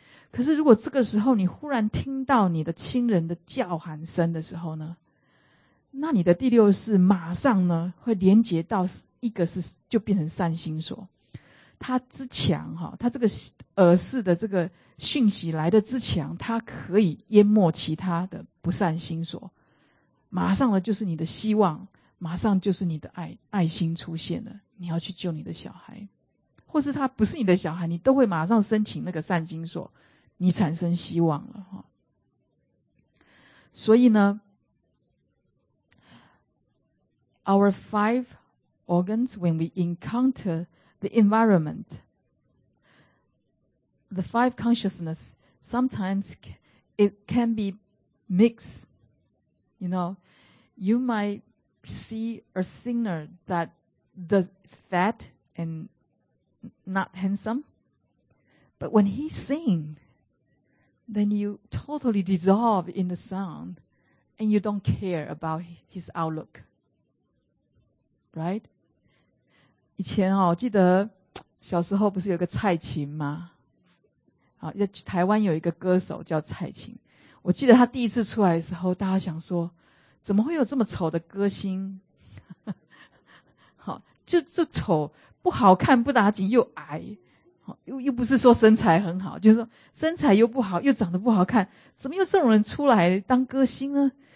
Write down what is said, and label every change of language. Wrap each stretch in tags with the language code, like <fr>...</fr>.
<zh>可是如果这个时候你忽然听到你的亲人的叫喊声的时候呢，那你的第六识马上呢会连接到一个是就变成善心所，它之强哈，它这个耳识的这个讯息来的之强，它可以淹没其他的不善心所，马上呢就是你的希望，马上就是你的爱心出现了，你要去救你的小孩，或是他不是你的小孩，你都会马上申请那个善心所，你产生希望了。所以呢</zh> <en>Our five organs, when we encounter the environment, the five consciousness, sometimes it can be mixed. You know, you might see a singer that the fat and not handsome, but when he sing, then you totally dissolve in the sound and you don't care about his outlook. Right?</en> <zh>以前哦，记得小时候不是有个蔡琴吗？好，台湾有一个歌手叫蔡琴，我记得他第一次出来的时候，大家想说怎么会有这么丑的歌星，好，就这丑不好看不打紧又矮，又不是说身材很好，就是说身材又不好又长得不好看，怎么有这种人出来当歌星呢？</zh>